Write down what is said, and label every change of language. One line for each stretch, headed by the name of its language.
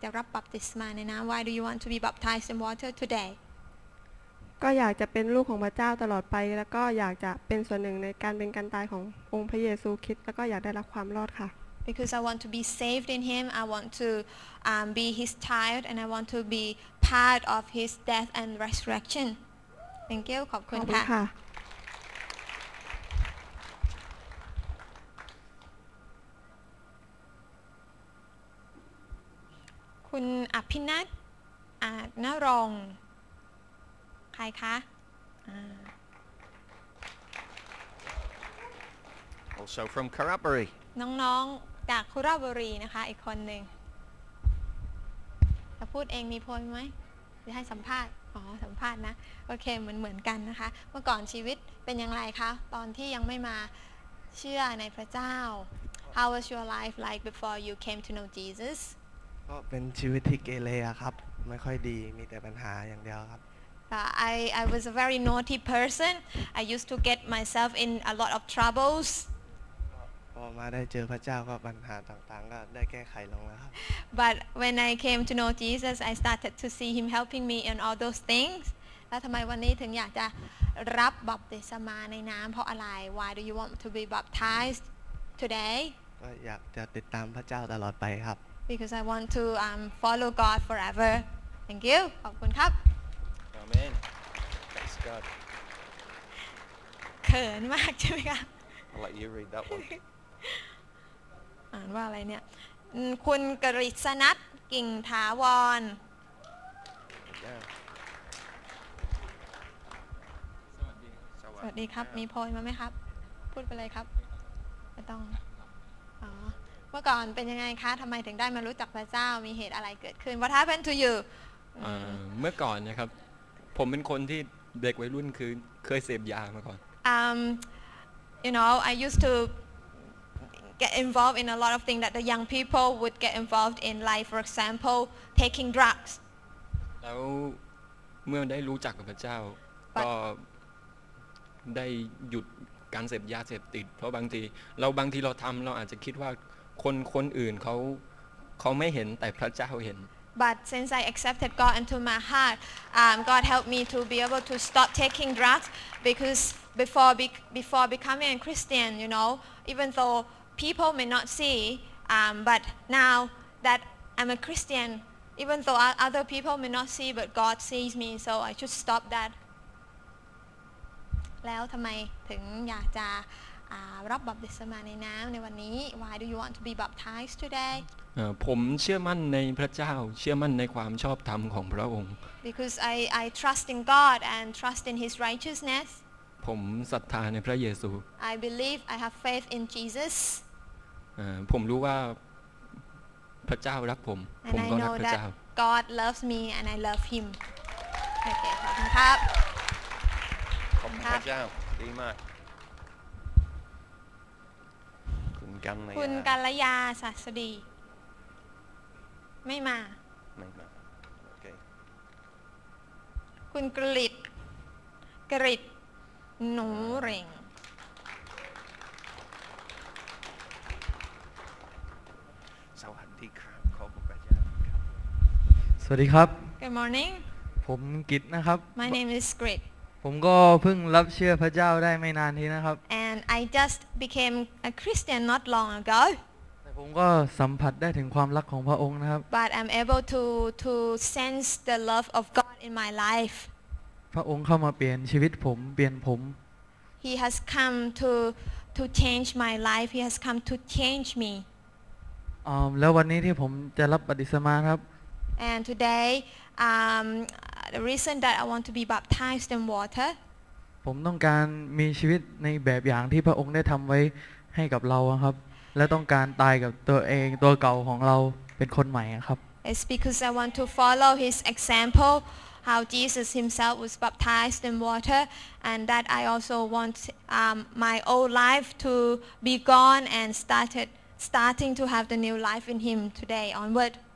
English: Why do you want to be baptized in water today?
Thai: ก็อยากจะเป็นลูกของพระเจ้าตลอดไปแล้วก็อยากจะเป็นส่วนหนึ่งในการเป็นการตายขององค์พระเยซูคริสต์แล้วก็อยากได้รับความรอดค่ะ
English: Because I want to be saved in him, I want to be his child, and I want to be part of his death and resurrection. Thank you.
Thai: ขอบคุณค่ะ คุณอภินัท อาจ ณรงค์ ใครคะ
English: Also from Karaburi.
Thai: น้องๆจากคุราบุรีนะคะอีกคนหนึ่งจะพูดเองมีโพยไหมจะให้สัมภาษณ์อ๋อสัมภาษณ์นะโอเคเหมือนกันนะคะเมื่อก่อนชีวิตเป็นอย่างไรคะตอนที่ยังไม่มาเชื่อในพระเจ้า
English: How was your life like before you came to know Jesus
Thai: ก็เป็นชีวิตที่เกเรครับไม่ค่อยดีมีแต่ปัญหาอย่างเดียวครับ
English: I was a very naughty person I used to get myself in a lot of troubles
Thai: พอมาได้เจอพระเจ้าก็ปัญหาต่างๆก็ได้แก้ไขลงแล้วครับ
English: But when I came to know Jesus I started to see him helping me in all those things
Thai: แล้วทำไมวันนี้ถึงอยากจะรับบัพติศมาในน้ำเพราะอะไร
English: Why do you want to be baptized today
Thai: ก็อยากจะติดตามพระเจ้าตลอดไปครับ
English: Because I want to follow God forever Thank you
Thai: ขอบคุณครับ
English: Amen Thanks God
Thai: เขินมากใช่ไหมคะ
English: I'll let you read that one
Thai: อ่านว่าอะไรเนี่ยคุณกฤษณัฐ กิ่งถาวรสวัสดีครับมีพลอยมาไหมครับพูดไปเลยครับไม่ต้องเมื่อก่อนเป็นยังไงคะทำไมถึงได้มารู้จักพระเจ้ามีเหตุอะไรเกิดขึ้น
English: What happened to you
Thai: เมื่อก่อนนะครับผมเป็นคนที่เด็กวัยรุ่นคือเคยเสพยามาก่อน
English: You know I used to get involved in a lot of things that the young people would get involved in like for example taking drugs
Thai: แล้วเมื่อได้รู้จักกับพระเจ้าก็ได้หยุดการเสพยาเสพติดเพราะบางทีเราทำเราอาจจะคิดว่าคนอื่นเขาไม่เห็นแต่พระเจ้าเห็น
English: But since I accepted God into my heart, God helped me to be able to stop taking drugs because before becoming a Christian, you know, even though people may not see, but now that I'm a Christian, even though other people may not see, but God sees me, so I should stop that.
Thai: แล้วทำไมถึงอยากจะรับบัพติศมาในน้ำในวันนี้
English: Why do you want to be baptized today
Thai: ผมเชื่อมั่นในพระเจ้าเชื่อมั่นในความชอบธรรมของพระองค์
English: Because I trust in God and trust in His righteousness
Thai: ผมศรัทธาในพระเยซู
English: I believe I have faith in Jesus
Thai: ผมรู้ว่าพระเจ้ารักผมผมก็รักพระเจ้า
English: And I know that God loves me and I love Him Okay
Thai: ขอบคุณครับ พระเจ้าดีมาก คุณกัลยาศาสดีไม่มา ไม่มาโอเค คุณกริตหนูเร่ง สวัสดีครับขอบคุณพระเจ้า สวัสดีครับ
English: Good morning
Thai: ผมกริตนะครับ
English: My name is Grit
Thai: ผมก็เพิ่งรับเชื่อพระเจ้าได้ไม่นานนี้นะครับ
English: And I just became a Christian not long ago
Thai: แต่ผมก็สัมผัสได้ถึงความรักของพระองค์นะครับ
English: But I'm able to sense the love of God in my life
Thai: พระองค์เข้ามาเปลี่ยนชีวิตผมเปลี่ยนผม
English: He has come to change my life He has come to change me
Thai: แล้ววันนี้ที่ผมจะรับบัพติศมาครับ
English: And todayThe reason that I want to be baptized in water.
Thai: ผมต้องการมีชีวิตในแบบอย่างที่พระองค์ได้ทำไว้ให้กับเราครับและต้องการตายกับตัวเองตัวเก่าของเราเป็นคนใหม่ครับ
English: It's because I want to follow His example, how Jesus Himself was baptized in water, and that I also want my old life to be gone and starting to have the new life in Him today onward.